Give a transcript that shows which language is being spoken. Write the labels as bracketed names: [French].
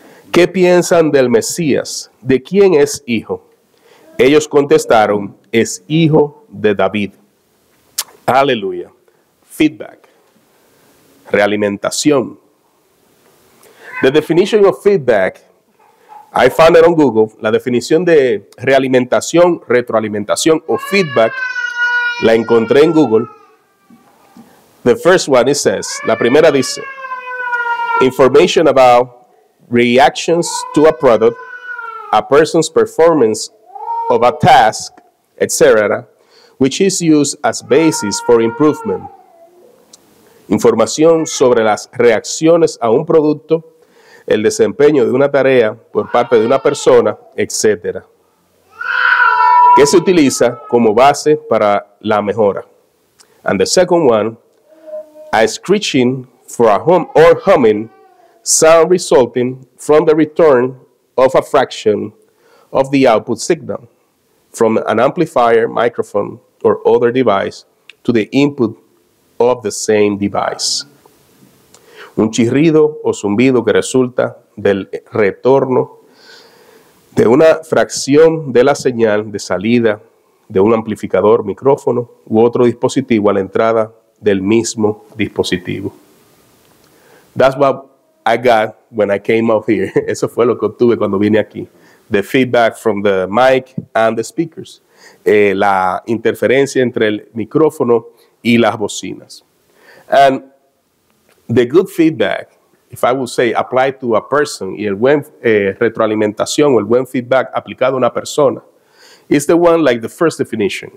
[Spanish] ¿Qué piensan del Mesías? ¿De quién es hijo? Ellos contestaron, es hijo de David. Aleluya. Feedback. Realimentación. [English] The definition of feedback, I found it on Google. [Spanish] La definición de realimentación, retroalimentación o feedback, la encontré en Google. [English] The first one it says, [Spanish] la primera dice, [English] information about reactions to a product, a person's performance of a task, etc., which is used as basis for improvement. [Spanish] Información sobre las reacciones a un producto, el desempeño de una tarea por parte de una persona, etc. ¿Qué se utiliza como base para la mejora? [English] And the second one, a screeching for a hum or humming sound resulting from the return of a fraction of the output signal from an amplifier, microphone, or other device to the input of the same device. [Spanish] Un chirrido o zumbido que resulta del retorno de una fracción de la señal de salida de un amplificador, micrófono u otro dispositivo a la entrada del mismo dispositivo. [English] That's what I got when I came up here. [Spanish] Eso fue lo que obtuve cuando vine aquí. [English] The feedback from the mic and the speakers. [Spanish] La interferencia entre el micrófono y las bocinas. [English] And the good feedback, if I would say apply to a person, [Spanish] y el buen retroalimentación o el buen feedback aplicado a una persona, [English] is the one like the first definition.